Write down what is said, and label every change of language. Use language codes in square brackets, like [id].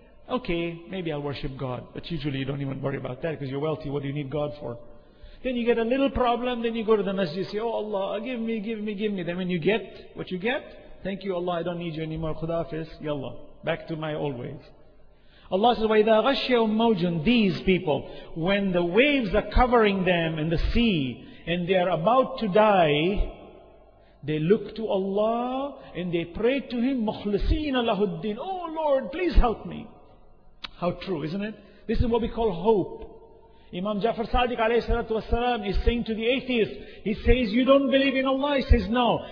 [en] Okay, maybe I'll worship God. But usually you don't even worry about that because you're wealthy. What do you need God for? Then you get a little problem. Then you go to the masjid and say, oh Allah, give me, give me, give me. Then when you get what you get, thank you Allah, I don't need you anymore. Khuda hafiz, yalla, back to my old ways. Allah says, [ar] وَإِذَا غَشْيَهُمْ مَوْجٌ. [en] These people, when the waves are covering them in the sea and they are about to die, they look to Allah and they pray to Him, [ar] مُخْلِصِينَ لَهُ الدِّينَ. [en] Oh Lord, please help me. How true, isn't it? This is what we call hope. Imam Jafar Sadiq alayhi salatu wasalam is saying to the atheist, he says, you don't believe in Allah? He says, no.